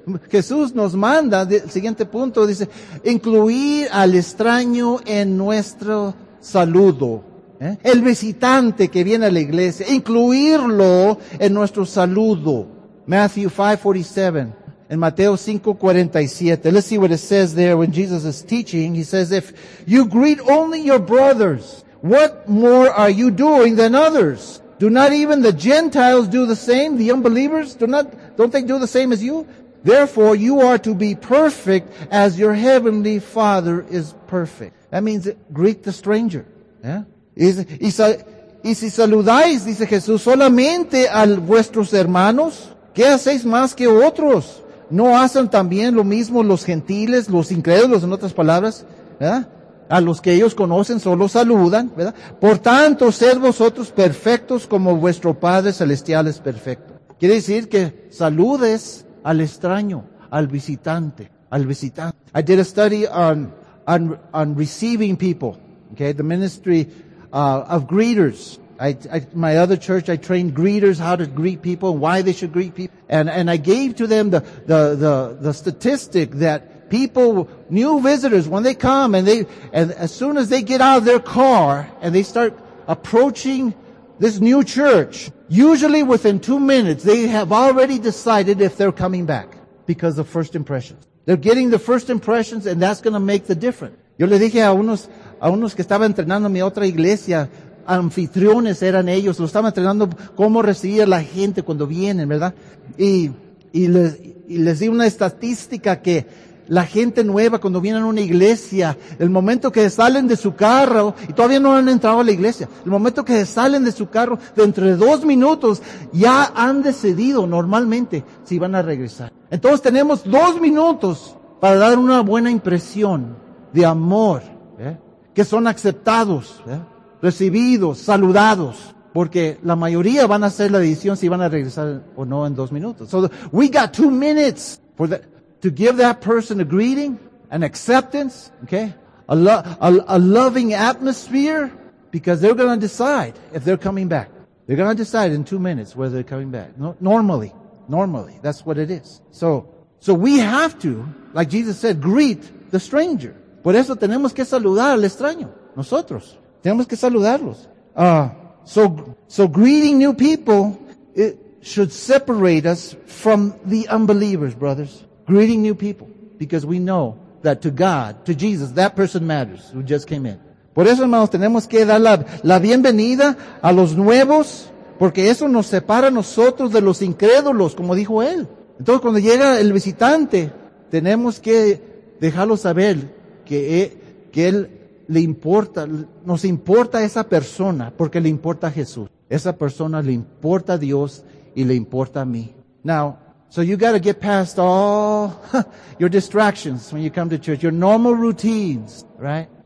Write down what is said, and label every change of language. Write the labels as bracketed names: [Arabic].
[Spanish] Jesús nos manda, el siguiente punto dice, incluir al extraño en nuestro saludo. El visitante que viene a la iglesia, incluirlo en nuestro saludo. [English] Matthew 5:47. In Mateo 5:47, let's see what it says there when Jesus is teaching. He says, if you greet only your brothers, what more are you doing than others? Do not even the Gentiles do the same? The unbelievers, don't they do the same as you? Therefore, you are to be perfect as your heavenly Father is perfect. That means greet the stranger. Yeah? [Spanish] Y si saludáis, dice Jesús, solamente a vuestros hermanos, ¿qué hacéis más que otros? ¿No hacen también lo mismo los gentiles, los incrédulos, en otras palabras? ¿Verdad? A los que ellos conocen solo saludan, ¿verdad? Por tanto, sed vosotros perfectos como vuestro Padre Celestial es perfecto. Quiere decir que saludes al extraño, al visitante, al visitante. [English] I did a study on receiving people, okay? The ministry of greeters. My other church, I trained greeters how to greet people and why they should greet people. And I gave to them the statistic that people, new visitors, when they come and as soon as they get out of their car and they start approaching this new church, usually within 2 minutes, they have already decided if they're coming back because of first impressions. They're getting the first impressions and that's going to make the difference. [Spanish] Yo le dije a unos que estaba entrenando mi otra iglesia, anfitriones eran ellos, lo estaban entrenando cómo recibir a la gente cuando vienen, ¿verdad? Y les di una estadística que la gente nueva cuando viene a una iglesia, el momento que salen de su carro, y todavía no han entrado a la iglesia, el momento que salen de su carro, dentro de 2 minutos ya han decidido normalmente si van a regresar. Entonces tenemos 2 minutos para dar una buena impresión de amor, ¿eh? Que son aceptados, ¿eh? Recibidos, saludados, porque la mayoría van a hacer la decisión si van a regresar o no en 2 minutos. [English] So we got 2 minutes for that, to give that person a greeting, an acceptance, okay, a loving atmosphere, because they're going to decide if they're coming back. They're going to decide in 2 minutes whether they're coming back. No, normally, that's what it is. So we have to, like Jesus said, greet the stranger. [Spanish] Por eso tenemos que saludar al extraño, nosotros. Tenemos que saludarlos. [English] So greeting new people, it should separate us from the unbelievers, brothers. Greeting new people. Because we know that to God, to Jesus, that person matters who just came in. [Spanish] Por eso, hermanos, tenemos que dar la bienvenida a los nuevos, porque eso nos separa a nosotros de los incrédulos, como dijo él. Entonces, cuando llega el visitante, tenemos que dejarlo saber que él le importa, nos importa esa persona porque le importa a Jesús. Esa persona le importa a Dios y le importa a mí. [English] Now, so you got to get past all your distractions when you come to church, your normal routines, right?